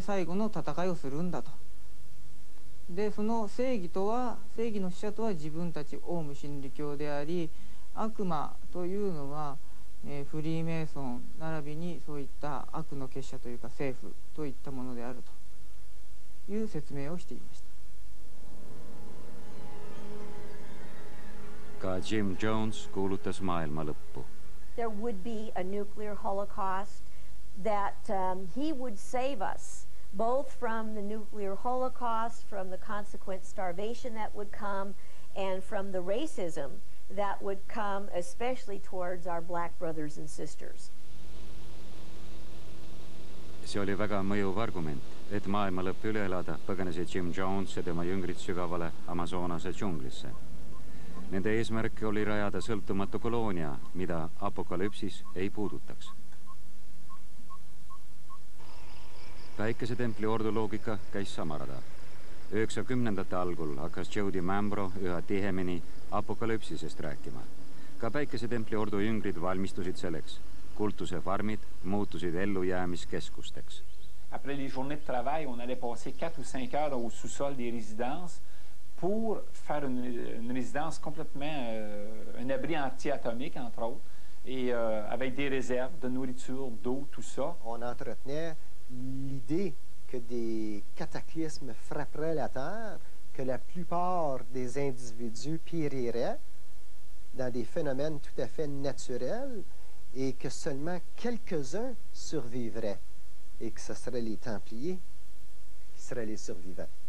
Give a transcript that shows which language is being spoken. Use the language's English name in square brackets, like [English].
[Japanese] この大預言者でもあるアサーラ孫子の預言者としての立場からのノストラダムス書世紀解読はどんなショッキングな真実を私たちに提示してくれるのだろうか。アルマゲドンというのも全額最終戦争、つまり正義と悪魔が戦って最後の戦いをするんだと。で、その正義とは正義の使者とは自分たちオウム真理教であり、悪魔というのはフリーメイソン並びにそういった悪の結社というか政府といったものであるという説明をしていました。ジム・ジョーンズ、コルタス・マイルマ・ルッポ。 [English] There would be a nuclear holocaust that he would save us both from the nuclear holocaust, from the consequent starvation that would come, and from the racism that would come, especially towards our black brothers and sisters. [Estonian] See oli väga mõjuv argument, et maailma lõpp üle elada põgenesid Jim Jones ja tema jüngrid sügavale Amazonase džunglisse. Nende eesmärk oli rajada sõltumatu koloonia, mida apokalüpsis ei puudutaks. Väikese templi orduloogika käis samarada. 90. algul hakkas Jody Mambro üha tihemini apokalüpsisest rääkima. Ka väikese templi ordu jüngrid valmistusid selleks. Kultuse farmid muutusid ellujäämiskeskusteks. [French] Après les journées de travail, on allait passer 4 ou 5 heures au sous-sol des résidences pour faire une résidence complètement un abri anti-atomique entre autres et avec des réserves de nourriture, d'eau, tout ça. On entretenait l'idée que des cataclysmes frapperaient la Terre, que la plupart des individus périraient dans des phénomènes tout à fait naturels et que seulement quelques-uns survivraient et que ce seraient les Templiers qui seraient les survivants.